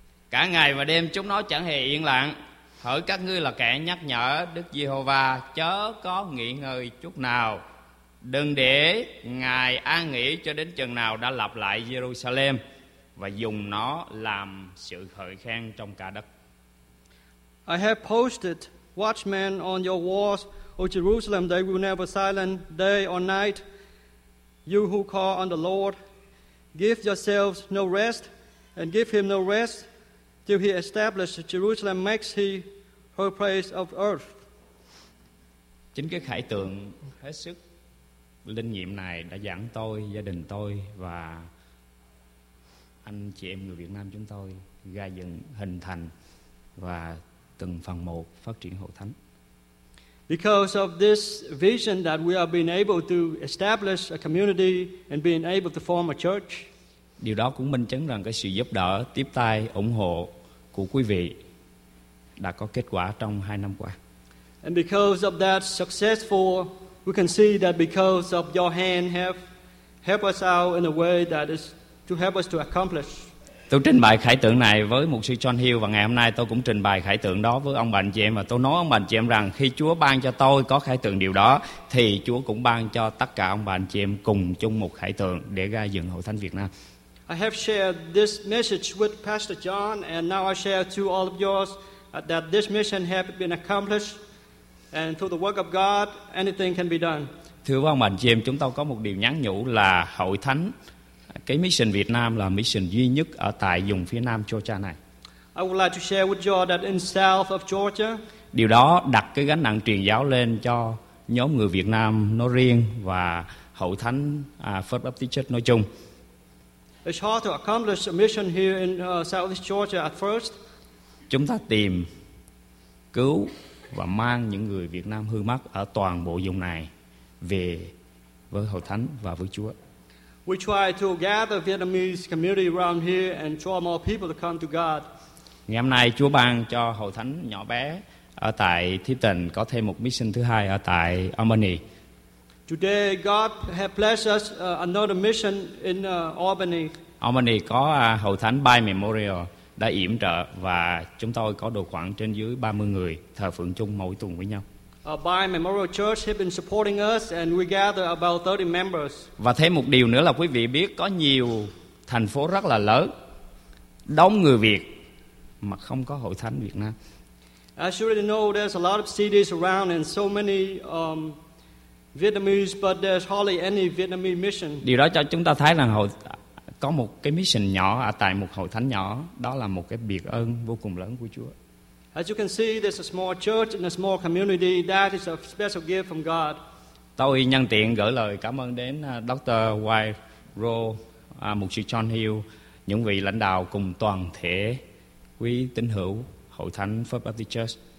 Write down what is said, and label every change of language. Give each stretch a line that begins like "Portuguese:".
Vietnamese: Cả ngày và đêm chúng nó chẳng hề yên lặng. Hỡi các ngươi là kẻ nhắc nhở Đức Giê-hô-va, chớ có nghỉ ngơi chút nào. Đừng để Ngài an nghỉ cho đến chừng nào đã lập lại Jerusalem và dùng nó làm sự hợi khen trong cả đất.
English: I have posted watchmen on your walls, O Jerusalem. They will never silent day or night. You who call on the Lord, give yourselves no rest and give him no rest till he establishes Jerusalem, makes he her place of earth.
Vietnamese: Chính cái khải tượng hết sức linh nghiệm này đã dẫn tôi, gia đình tôi và anh chị em người Việt Nam chúng tôi gây dựng, hình thành và từng phần một phát triển hội thánh.
English: Because of this vision that we are being able to establish a community and being able to form a church.
Vietnamese: Điều đó cũng minh chứng rằng cái sự giúp đỡ, tiếp tay, ủng hộ của quý vị đã có kết quả trong 2 năm qua.
English: And because of that successful, we can see that because of your hand have helped us out in a way that is to help us to accomplish.
Vietnamese: Tôi trình bày khải tượng này với mục sư John Hill và ngày hôm nay tôi cũng trình bày khải tượng đó với ông bà anh chị em, và tôi nói ông bà anh chị em rằng khi Chúa ban cho tôi có khải tượng điều đó thì Chúa cũng ban cho tất cả ông bà anh chị em cùng chung một khải tượng để gây dựng hội thánh Việt Nam.
English: I have shared this message with Pastor John and now I share to all of yours that this mission has been accomplished and through the work of God anything can be done.
Vietnamese: Thưa ông bà anh chị em, chúng tôi có một điều nhắn nhủ là hội thánh, cái mission Việt Nam là mission duy nhất ở tại vùng phía Nam Georgia này.
English: I would like to share with you that in south of Georgia.
Vietnamese: Điều đó đặt cái gánh nặng truyền giáo lên cho nhóm người Việt Nam nói riêng và hội thánh First Baptist Church nói chung.
English: It's hard to accomplish a mission here in Southeast Georgia at first.
Vietnamese: Chúng ta tìm, cứu và mang những người Việt Nam hư mất ở toàn bộ vùng này về với hội thánh và với Chúa.
English: We try to gather Vietnamese community around here and draw more people to come to God.
Vietnamese: Ngày hôm nay Chúa ban cho hội thánh nhỏ bé ở tại Tipton có thêm một mission thứ hai ở tại Albany.
English: Today God has blessed us another mission in Albany.
Vietnamese: Albany có hội thánh Bay Memorial đã yểm trợ và chúng tôi có độ khoảng trên dưới 30 người thờ phượng chung mỗi tuần với nhau.
English: By Memorial Church have been supporting us and we gather about 30 members.
Vietnamese: Và thêm một điều nữa là quý vị biết có nhiều thành phố rất là lớn, đông người Việt mà không có hội thánh Việt Nam.
English: As you already know, there's a lot of cities around and so many Vietnamese, but there's hardly any Vietnamese mission.
Vietnamese: Điều đó cho chúng ta thấy rằng có một cái mission nhỏ ở tại một hội thánh nhỏ, đó là một cái biệt ơn vô cùng lớn của Chúa.
English: As you can see, there's a small church in a small community. That is a special gift from God.
Vietnamese: Tôi nhân tiện gửi lời cảm ơn đến Dr. White Rowe, Mục sư John Hill, những vị lãnh đạo cùng toàn thể quý tín hữu hội thánh First Baptist Church.